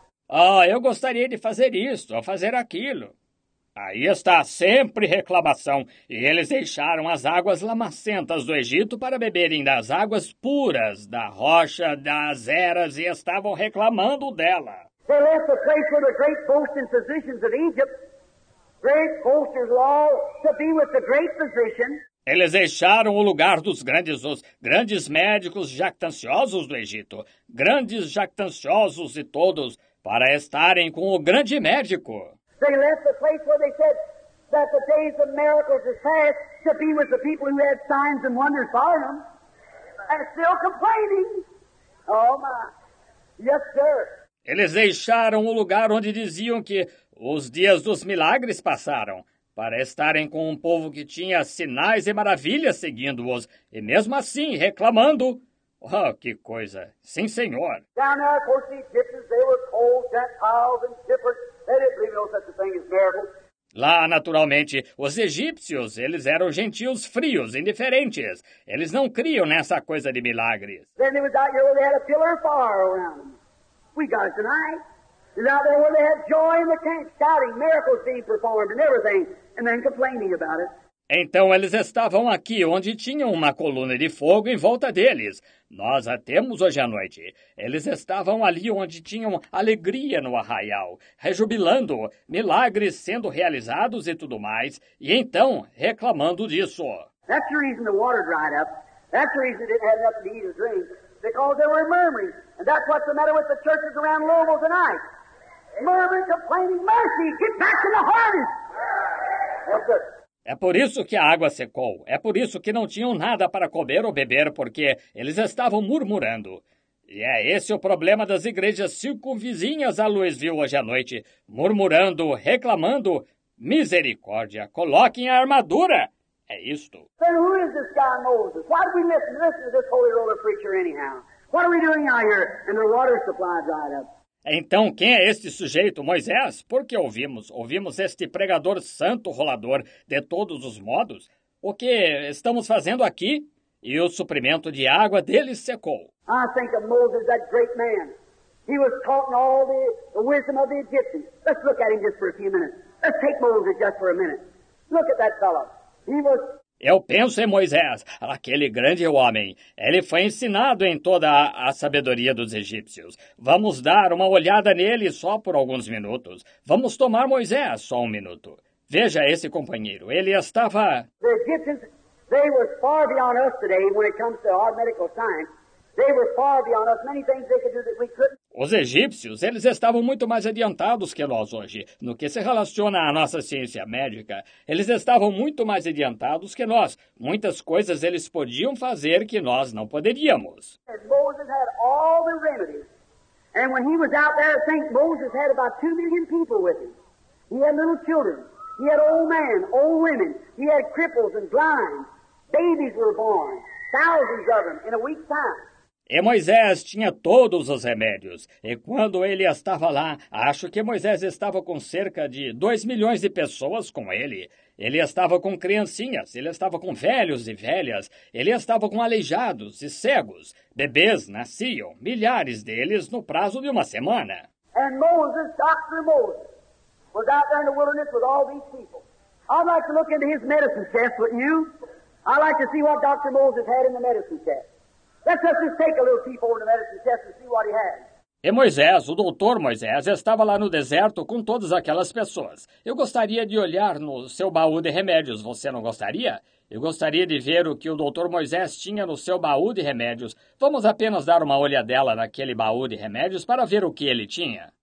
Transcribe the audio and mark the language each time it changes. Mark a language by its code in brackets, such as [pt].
[pt] Ah, eu gostaria de fazer isto, ou fazer aquilo. Aí está sempre reclamação, e eles deixaram as águas lamacentas do Egito para beberem das águas puras da rocha das eras e estavam reclamando dela. [en] They left the place where the great boasting physicians of Egypt, great boasters of all, to be with the great physician. [pt] Eles deixaram o lugar dos grandes, os grandes médicos jactanciosos do Egito, grandes jactanciosos e todos, para estarem com o grande médico. [en] They left the place where they said that the days of miracles are past to be with the people who had signs and wonders by them, and still complaining. Oh my, yes sir. [pt] Eles deixaram o lugar onde diziam que os dias dos milagres passaram, para estarem com um povo que tinha sinais e maravilhas seguindo-os, e mesmo assim reclamando. Oh, que coisa! Sim, senhor! [en] Down there, of course, the Egyptians, they were cold, Gentiles, and different. They didn't believe no such a thing as miracles. [pt] Lá, naturalmente, os egípcios, eles eram gentios frios, indiferentes. Eles não criam nessa coisa de milagres. [en] Then they was out here where they had a pillar of fire around them. We got it tonight. And out there where they had joy in the camp, shouting, miracles being performed and everything, and then complaining about it. [pt] Então eles estavam aqui onde tinham uma coluna de fogo em volta deles. Nós a temos hoje à noite. Eles estavam ali onde tinham alegria no arraial, rejubilando, milagres sendo realizados e tudo mais, e então reclamando disso. [en] That's the reason the water dried up. That's the reason it didn't have enough to eat and drink. Because they were murmuring. And that's what's the matter with the churches around Louisville tonight. Murmuring, complaining, mercy, get back to the harvest. Yes, sir. [pt] É por isso que a água secou. É por isso que não tinham nada para comer ou beber, porque eles estavam murmurando. E é esse o problema das igrejas circunvizinhas a Louisville hoje à noite. Murmurando, reclamando, misericórdia, coloquem a armadura. É isto. [en] Then who is this guy Moses? Why do we listen to this holy roller preacher anyhow? What are we doing out here? And the water supply dried up. [pt] Então, quem é este sujeito, Moisés? Por que ouvimos este pregador santo rolador de todos os modos? O que estamos fazendo aqui? E o suprimento de água dele secou. [en] I think of Moses, that great man. He was taught in all the wisdom of the Egyptians. Let's look at him just for a few minutes. Let's take Moses just for a minute. Look at that fellow. He was... [pt] Eu penso em Moisés, aquele grande homem. Ele foi ensinado em toda a sabedoria dos egípcios. Vamos dar uma olhada nele só por alguns minutos. Vamos tomar Moisés só um minuto. Veja esse companheiro. Ele estava... [en] The Egyptians, they were far beyond us today when it comes to our medical science. They were far beyond us. Many things they could do that we couldn't. [pt] Os egípcios, eles estavam muito mais adiantados que nós hoje, no que se relaciona à nossa ciência médica. Eles estavam muito mais adiantados que nós. Muitas coisas eles podiam fazer que nós não poderíamos. [en] Moses had all the remedies. And when he was out there, St. Moses had about 2 million people with him. He had little children. He had old men, old women. He had cripples and blind. Babies were born. Thousands of them in a week's time. [pt] E Moisés tinha todos os remédios, e quando ele estava lá, acho que Moisés estava com cerca de 2 milhões de pessoas com ele. Ele estava com criancinhas, ele estava com velhos e velhas, ele estava com aleijados e cegos. Bebês nasciam, milhares deles, no prazo de uma semana. [en] And Moses, Dr. Moses, was out there in the wilderness with all these people. I'd like to look into his medicine chest with you. I'd like to see what Dr. Moses had in the medicine chest. Let's just take a little peep over the medicine chest and see what he had. [pt] E Moisés, o doutor Moisés, estava lá no deserto com todas aquelas pessoas. Eu gostaria de olhar no seu baú de remédios, você não gostaria? Eu gostaria de ver o que o doutor Moisés tinha no seu baú de remédios. Vamos apenas dar uma olhadela naquele baú de remédios para ver o que ele tinha.